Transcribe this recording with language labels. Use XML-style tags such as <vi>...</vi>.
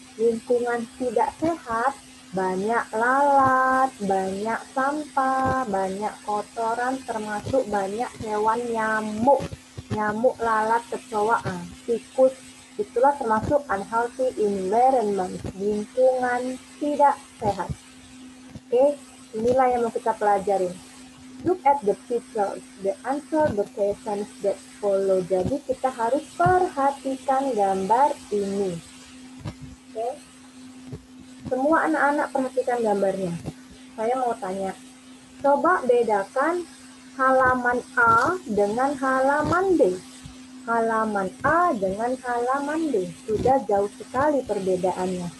<id>Lingkungan tidak sehat, banyak lalat, banyak sampah, banyak kotoran, termasuk banyak hewan nyamuk. Nyamuk, lalat, kecoa, tikus, itulah termasuk</id> <en>unhealthy environment,</en> <id>lingkungan tidak sehat. Oke, inilah yang mau kita pelajari.</id> <en>Look at the pictures, the answer the questions that follow.</en> <id>Jadi kita harus perhatikan gambar ini. Oke, semua anak-anak perhatikan gambarnya. Saya mau tanya, coba bedakan halaman A dengan halaman B. Halaman A dengan halaman B sudah jauh sekali perbedaannya.</id>